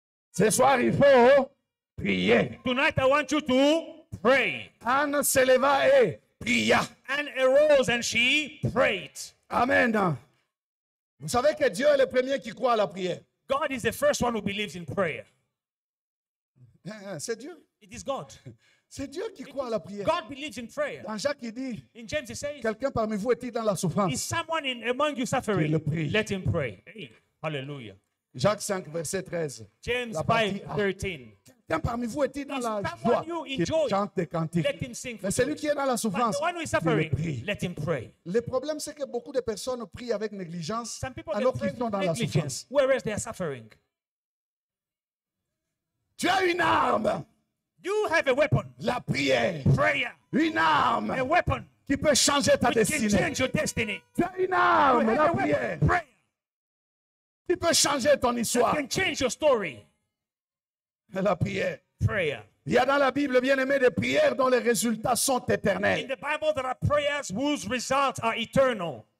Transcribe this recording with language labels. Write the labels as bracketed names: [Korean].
[French] Ce soir, il faut prier. [English] Tonight, I want you to pray. [French] Anne se leva et pria. [English] Anne arose and she prayed. Amen. [French] Vous savez que Dieu est le premier qui croit à la prière. [English] God is the first one who believes in prayer. [French] C'est Dieu. [English] It is God. [French] C'est Dieu qui croit à la prière. [English] God believes in prayer. [French] Dans Jacques, il dit, [English] in James, he says, [French] quelqu'un parmi vous est-il dans la souffrance? [English] Is someone in, among you suffering? [French] Qu'il le prie. [English] Let him pray. Hallelujah. [French] Jacques 5, verset 13. [English] James 5, 13. [French] Quelqu'un parmi vous est-il dans la joie? Qui chante des cantiques. Mais celui qui est dans la souffrance, qu'il le prie. [English] Let him pray. [French] Le problème, c'est que beaucoup de personnes prient avec négligence alors qu'ils sont dans la souffrance. [English] Whereas they are suffering. [French] Tu as une arme. [English] You have a weapon. [French] La prière. [English] Prayer. [French] Une arme. [English] A weapon. [French] Qui peut changer ta destinée. [English] Can change your destiny. [French] Tu as une arme. La prière. [English] Prayer. [French] Qui peut changer ton histoire. [English] Can change your story. [French] La prière. [English] Prayer. [French] Il y a dans la Bible, bien-aimé, des prières dont les résultats sont éternels. [English] In the Bible, there are prayers whose results are eternal.